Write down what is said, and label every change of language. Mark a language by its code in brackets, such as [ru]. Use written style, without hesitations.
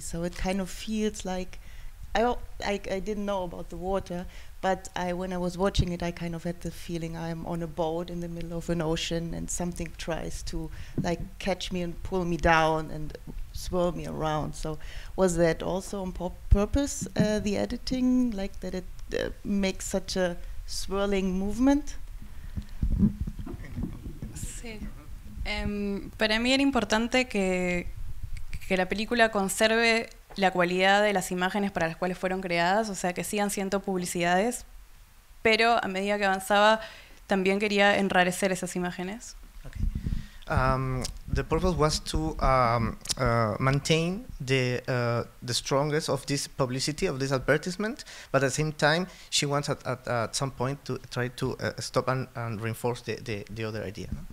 [en] So it kind of feels like, I didn't know about the water, but when I was watching it, I kind of had the feeling I'm on a boat in the middle of an ocean and something tries to like catch me and pull me down and swirl me around. So was that also on purpose, the editing, like that it makes such a swirling movement? [es] Sí. Para mí era importante que la película conserve la cualidad de las imágenes para las cuales fueron creadas, o sea, que sigan siendo publicidades, pero a medida que avanzaba también quería enrarecer esas imágenes. [en] Okay. the purpose was to maintain the strongest of this publicity, of this advertisement, but at the same time, she wants at some point to try to stop and reinforce the other idea.